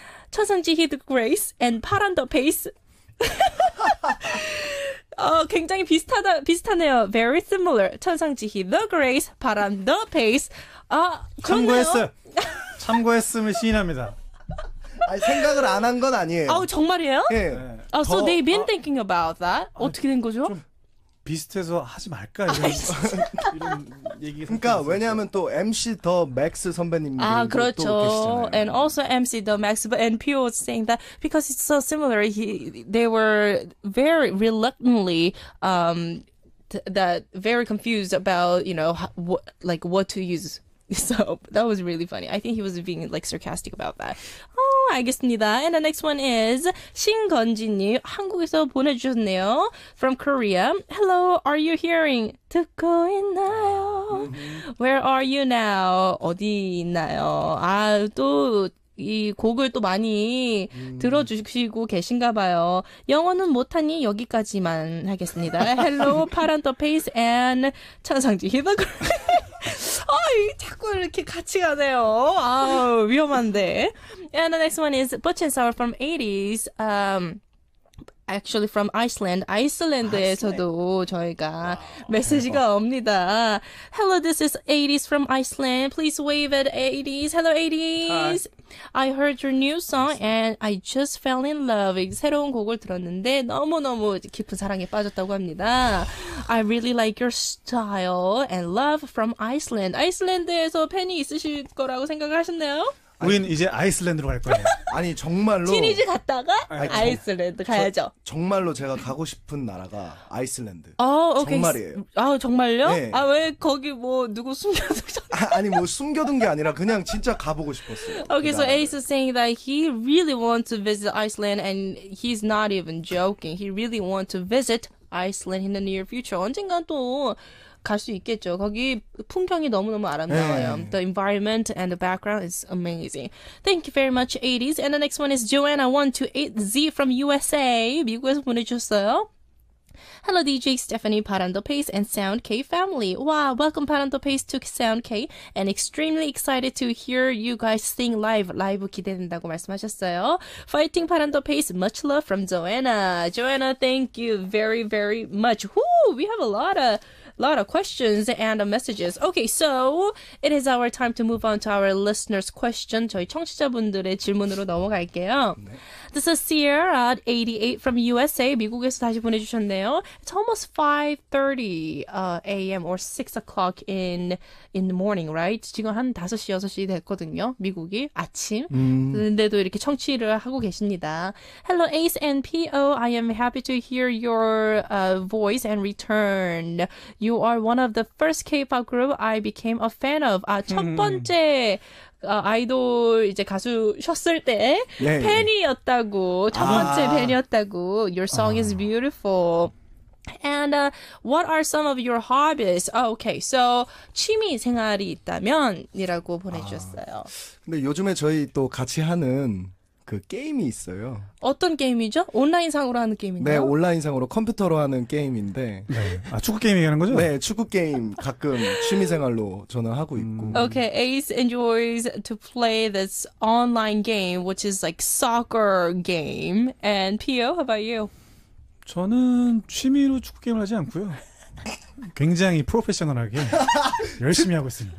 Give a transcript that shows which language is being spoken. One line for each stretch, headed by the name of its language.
Korean: 천상지 히드 그레이스 and 파란 더 페이스. 굉장히 비슷하네요.
English: Very similar.
Korean: 천상지 히드 그레이스, 파란 더 페이스. 아, 참고했어요. 참고했음을 시인합니다. 아니, 생각을 안 한 건 아니에요. 아, 정말이에요? 예.
English: 네. 아, so they've been thinking about that.
Korean: 어떻게 된 거죠? 비슷해서 하지 말까 이런, 이런 얘기. 그러니까 왜냐하면 또 MC 더 맥스 선배님들도 그렇죠. 계시잖아요.
English: And also MC 더 맥스, but NPO was saying that because it's so similar, they were very reluctantly very confused about what to use. So that was really funny. I think he was being sarcastic about that. Oh,
Korean: 알겠습니다.
English: And the next one is 신건진님,
Korean: 한국에서 보내주셨네요.
English: From Korea. Hello, are you hearing?
Korean: 듣고 있나요?
English: Where are you now?
Korean: 어디 있나요? 아, 또 이 곡을 또 많이 들어주시고 계신가 봐요. 영어는 못하니 여기까지만 하겠습니다. Hello, 파란 더 페이스 and 천상지 히버그. 아이, 자꾸 이렇게 같이 가네요. 아우, 위험한데.
English: And the next one is Butch and Sour from 80s. Actually from Iceland.
Korean: Iceland에서도 저희가 메시지가 옵니다.
English: Hello, this is 80s from Iceland. Please wave at 80s. Hello, 80s. I heard your new song and I just fell in love.
Korean: 새로운 곡을 들었는데 너무너무 깊은 사랑에 빠졌다고 합니다.
English: I really like your style and love from Iceland.
Korean: 아이슬란드에서 팬이 있으실 거라고 생각하셨나요? 우린 이제 아이슬란드로 갈 거예요. 아니 정말로 티니지 갔다가 아이슬란드 가야죠. 정말로 제가 가고 싶은 나라가 아이슬란드. 아, 오케이. 정말이에요. 아, 정말요? 네. 아, 왜 거기 뭐 누구 숨겨두셨나요? 아니 뭐 숨겨둔 게 아니라 그냥 진짜 가보고 싶었어요.
English: Okay, so Ace is saying that he really wants to visit Iceland and he's not even joking. He really wants to visit Iceland in the near future.
Korean: 언젠간 또 갈 수 있겠죠. 거기 풍경이 너무너무 아름다워요.
English: The environment and the background is amazing. Thank you very much, 80s. And the next one is Joanna128Z from USA.
Korean: 미국에서 보내주셨어요.
English: Hello, DJ Stephanie, Paran the Pace, and Sound K family. Wow, welcome Paran the Pace to Sound K, and extremely excited to hear you guys sing live.
Korean: 라이브 기대된다고 말씀하셨어요.
English: Fighting Paran the Pace, much love from Joanna. Joanna, thank you very, very much. Woo, we have a lot of questions and messages. Okay, so it is our time to move on to our listeners' question.
Korean: 저희 청취자분들의 질문으로 넘어갈게요.
English: 네. This is Sierra 88 from USA.
Korean: 미국에서 다시 보내주셨네요.
English: It's almost 5:30 a.m. or 6 o'clock in the morning, right?
Korean: 지금 한 5시, 6시 됐거든요. 미국이 아침. 근데도 이렇게 청취를 하고 계십니다.
English: Hello, Ace and P.O. I am happy to hear your voice and return. You are one of the first K-pop group I became a fan of.
Korean: 아, 첫 번째 아이돌 이제 가수셨을 때 네, 팬이었다고. 첫 번째 팬이었다고.
English: Your song is beautiful. And what are some of your hobbies? Oh, okay, so
Korean: 취미 생활이 있다면이라고 보내주셨어요. 근데 요즘에 저희 또 같이 하는 그 게임이 있어요. 어떤 게임이죠? 온라인상으로 하는 게임인가요? 네, 온라인상으로 컴퓨터로 하는 게임인데. 네. 아, 축구 게임 얘기하는 거죠? 네, 축구 게임 가끔 취미생활로 저는 하고 있고.
English: Okay, Ace enjoys to play this online game, which is like soccer game. And Pio, how about you?
Korean: 저는 취미로 축구 게임을 하지 않고요. 굉장히 프로페셔널하게 열심히 하고 있습니다.